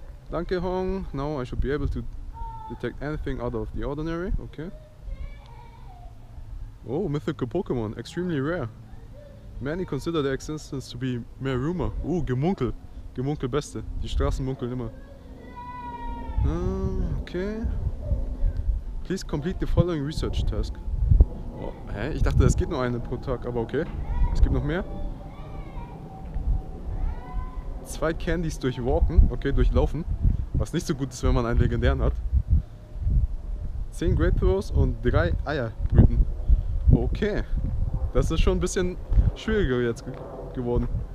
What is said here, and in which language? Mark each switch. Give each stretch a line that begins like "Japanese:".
English: Danke Hong, now I should be able to detect anything out of the ordinary, okay. Oh, mythical Pokémon, extremely rare. Many consider the existence to be mere rumor. Oh, Gemunkel.
German: Gemunkel beste, die Straßen munkeln immer.
English: Okay. Please complete the following research task. Oh, hä?
German: Ich dachte, es geht nur eine pro Tag, aber okay. Es gibt noch mehr. 2 Candies durchwalken, okay, durchlaufen, was nicht so gut ist, wenn man einen legendären hat. 10 Great Throws und 3 Eier brüten. Okay, das ist schon ein bisschen schwieriger jetzt geworden.